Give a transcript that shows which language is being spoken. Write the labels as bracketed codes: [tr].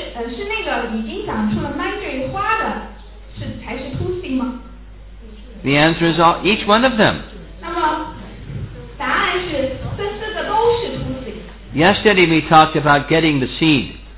[zh] 是那个已经长出了mandarin花的才是Tulsi吗? [en] The answer is all, each one of them. [zh] 那么答案是这四个都是Tulsi. [en] Yesterday we talked about getting the seed.